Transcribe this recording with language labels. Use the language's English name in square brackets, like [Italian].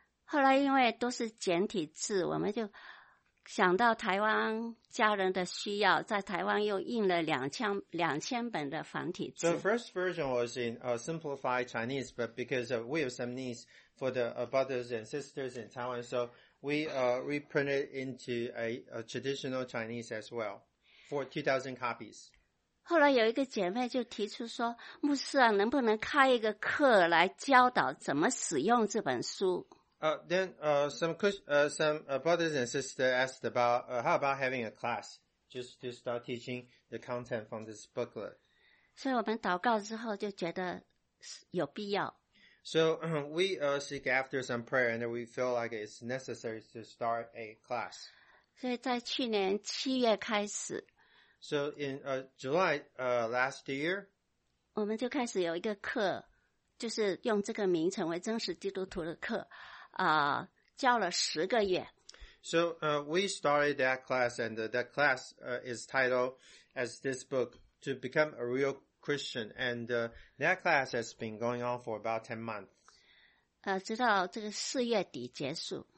[Chinese] 后来因为都是简体字，我们就想到台湾家人的需要，在台湾又印了2,000本的繁体字。 [English] The first version was in simplified Chinese, but because we have some needs for the brothers and sisters in Taiwan, so we reprinted into a traditional Chinese as well for 2,000 copies. [Chinese] 后来有一个姐妹就提出说，牧师啊，能不能开一个课来教导怎么使用这本书？ [English] Then some brothers and sisters asked about how about having a class just to start teaching the content from this booklet. [Chinese] 所以我们祷告之后就觉得有必要。 [English] So we seek after some prayer and we feel like it's necessary to start a class. [Chinese] 所以在去年七月开始。 [English] So in July last year, [Chinese] 我们就开始有一个课，就是用这个名称为真实基督徒的课。教了10个月。 [English] So we started that class, and that class is titled as this book, To Become a Real Christian, and that class has been going on for about 10 months. [Chinese] 直到这个四月底结束。